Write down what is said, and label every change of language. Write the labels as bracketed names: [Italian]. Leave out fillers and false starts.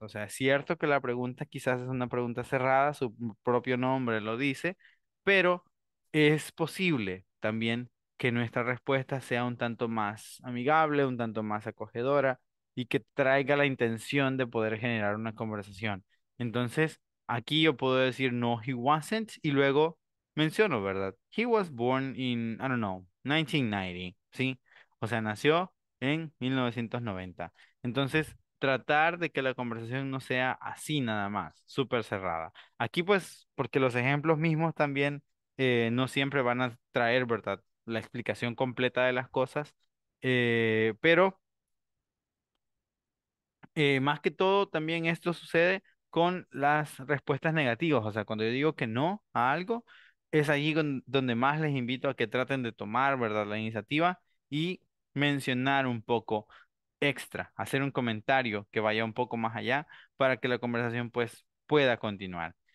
[Spanish] O sea, es cierto que la pregunta quizás es una pregunta cerrada, su propio nombre lo dice, pero es posible también que nuestra respuesta sea un tanto más amigable, un tanto más acogedora y que traiga la intención de poder generar una conversación. Entonces, aquí yo puedo decir [English] no, he wasn't, [Spanish] y luego menciono, ¿verdad? [English] He was born in, I don't know, 1990, [Spanish] ¿sí? O sea, nació en 1990. Entonces, tratar de que la conversación no sea así nada más, súper cerrada. Aquí, pues, porque los ejemplos mismos también no siempre van a traer, ¿verdad?, la explicación completa de las cosas. Pero, más que todo, también esto sucede con las respuestas negativas. O sea, cuando yo digo que no a algo, es allí donde más les invito a que traten de tomar, ¿verdad?, la iniciativa y mencionar un poco extra, hacer un comentario que vaya un poco más allá para que la conversación, pues, pueda continuar.